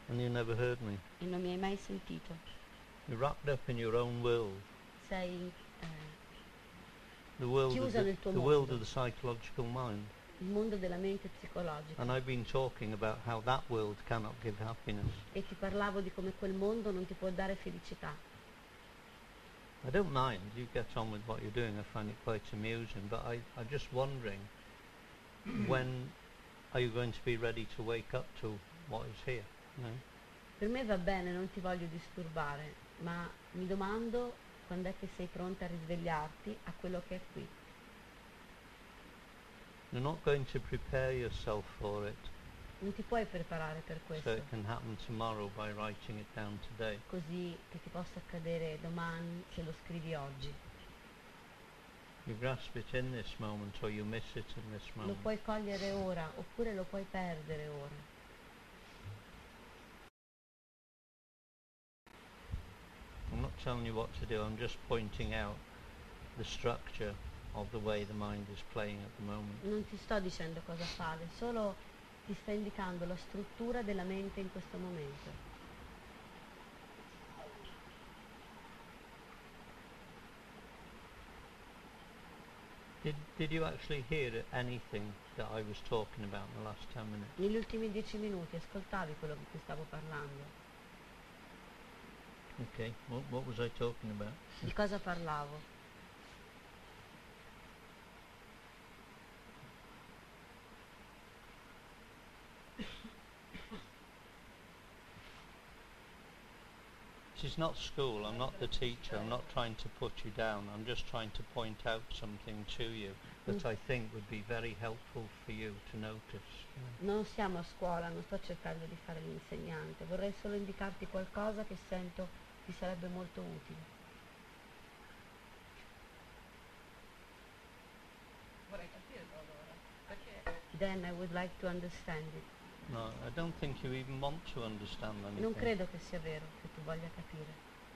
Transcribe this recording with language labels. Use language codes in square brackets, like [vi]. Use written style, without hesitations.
[en] And you never heard me. [it] E non mi hai mai sentito. [en] You're wrapped up in your own world. [it] Sei [en] the world [it] chiusa [en] of the, [it] nel tuo [en] the [it] mondo. [en] World of the psychological mind. [it] Il mondo della mente psicologica. [en] And I've been talking about how that world cannot give happiness. [it] E ti parlavo di come quel mondo non ti può dare felicità. [en] I don't mind, you get on with what you're doing, I find it quite amusing, but I'm just wondering, when are you going to be ready to wake up to what is here? No? [it] Per me va bene, non ti voglio disturbare, ma mi domando quando è che sei pronta a risvegliarti a quello che è qui. [en] You're not going to prepare yourself for it. [it] Non ti puoi preparare per questo. [en] So it can happen tomorrow by writing it down today. [it] Così che ti possa accadere domani se lo scrivi oggi. [en] You grasp it in this moment or you miss it in this moment. [it] Lo puoi cogliere ora oppure lo puoi perdere ora. [en] telling you what to do, I'm just pointing out the structure of the way the mind is playing at the moment. [it] Non ti sto dicendo cosa fare, solo ti sto indicando la struttura della mente in questo momento. [en] Did you actually hear anything that I was talking about in the last 10 minutes? [it] Negli ultimi 10 minuti ascoltavi quello di cui stavo parlando. [en] Okay, what was I talking about? [it] Di cosa parlavo? [en] This is not school, I'm not the teacher, I'm not trying to put you down, I'm just trying to point out something to you that I think would be very helpful for you to notice. [it] Non siamo a scuola, non sto cercando di fare l'insegnante, vorrei solo indicarti qualcosa che sento ti sarebbe molto utile. Vorrei capirlo allora, perché? [en] Then I would like to understand it. No, I don't think you even want to understand anything. [it] Non credo che sia vero che tu voglia capire.